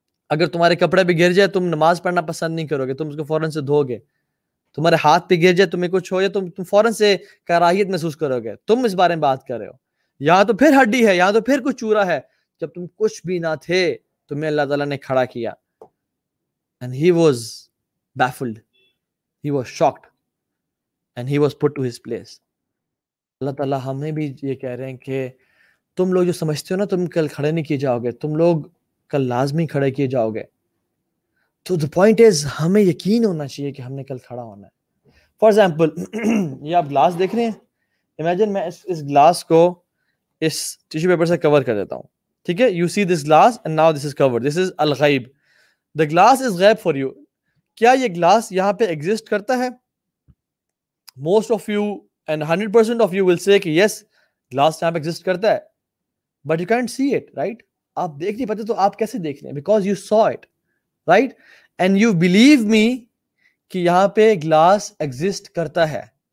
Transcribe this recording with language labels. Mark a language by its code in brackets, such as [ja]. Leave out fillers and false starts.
[hi] अगर तुम्हारे कपड़े भी गिर जाए तुम नमाज पढ़ना पसंद नहीं करोगे, तुम उसको फौरन से धोगे. तुम्हारे हाथ पे गिर जाए, तुम्हें कुछ हो जाए, तुम फौरन से कराहियत महसूस करोगे. तुम इस बारे में बात कर रहे हो, यहाँ तो फिर हड्डी है, यहाँ तो फिर कुछ चूरा है, जब तुम कुछ भी ना थे, तुम्हें अल्लाह ताला ने खड़ा किया. [en] And he was baffled, he was shocked, and he was put to his place. [hi] Allah Taala, हमें भी ये कह रहे हैं कि तुम लोग जो समझते हो ना तुम कल खड़े नहीं किए जाओगे, तुम लोग कल लाजमी खड़े किए जाओगे. तो [en] the point is [hi] हमें यकीन होना चाहिए कि हमने कल खड़ा होना है. For example, ये आप glass देख रहे हैं. Imagine मैं इस glass को इस tissue paper से cover कर देता हूँ. ठीक है, [en] you see this glass and now this is covered. This is al ghayb. The glass is ghayb for you. [hi] क्या ये ग्लास यहाँ पे एग्जिस्ट करता है? [en] most of you and 100% of you will say [hi] कि यस, ग्लास यहाँ पे exist करता है. [en] But you can't see it, right? [hi] आप देख नहीं पाते, तो आप कैसे देख रहे हैं? [en] Because you saw it, right? And you believe me [hi] कि यहाँ पे ग्लास एग्जिस्ट करता है.